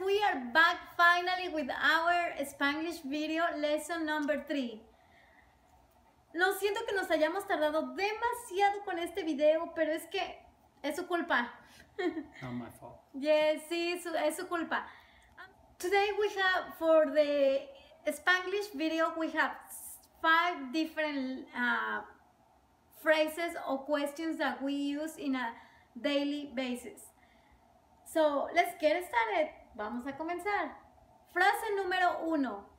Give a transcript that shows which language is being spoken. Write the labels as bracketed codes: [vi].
[en] We are back finally with our Spanglish video lesson number 3. [es] Lo siento que nos hayamos tardado demasiado con este video, pero es que es su culpa. [en] Not my fault. [es] Yes, sí, es su culpa. [en] Today we have, for the Spanglish video, we have 5 different phrases or questions that we use in a daily basis. So, let's get started. [es] Vamos a comenzar. Frase número 1.